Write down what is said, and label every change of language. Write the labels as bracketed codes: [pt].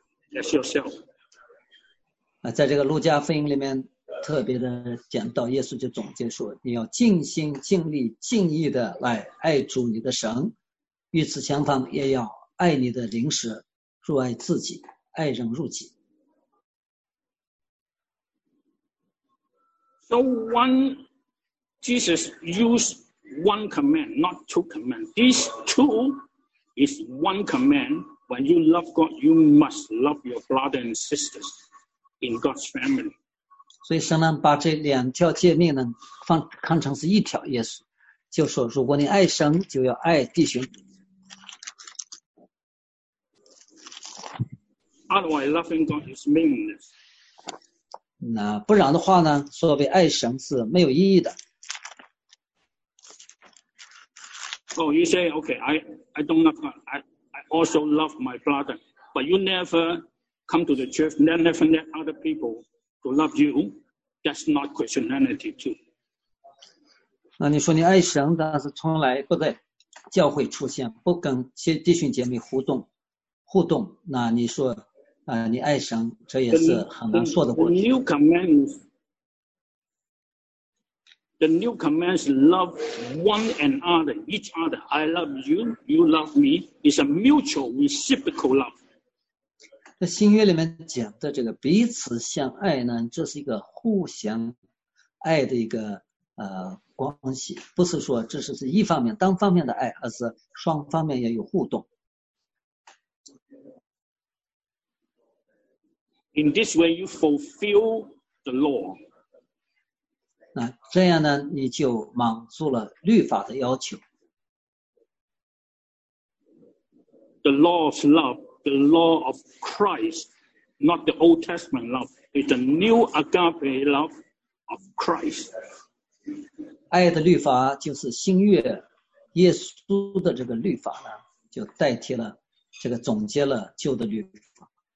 [en] Yourself. [zh] 在这个路加福音里面特别的讲到，耶稣就总结说，你要尽心尽力尽意的来爱主你的神，与此相反也要爱你的邻舍，如爱自己，爱人如己。 [en] So one Jesus used one command, not two commands. These two is one commandWhen you love God, you must love your brother and sisters in God's family. [zh] 所以神呢把这两条诫命呢看成是一条，耶稣就说，如果你爱神，就要爱弟兄。 [en] Otherwise, loving God is meaningless. [zh] 那不然的话呢，所谓爱神是没有意义的。 [en] Oh, you say, okay, I don't love God. I also love my brother. But you never come to the church, never let other people to love you. That's not Christianity too. [zh] 那你说你爱神，但是从来不在教会出现，不跟弟兄姐妹互动，互动。那你说，你爱神，这也是很难说的过去。 [en] The new commands love one another, each other. I love you, you love me. It's a mutual, reciprocal love. [zh] 在新约里面讲的这个彼此相爱呢，这是一个互相爱的一个关系，不是说这是一方面单方面的爱，而是双方面也有互动。 [en] In this way, you fulfill the law. [zh] 那这样呢，你就满足了律法的要求。 [en] The law of love, the law of Christ, not the Old Testament love, is the new agape love of Christ. [zh] 爱的律法就是新约耶稣的这个律法呢，就代替了这个总结了旧的律法。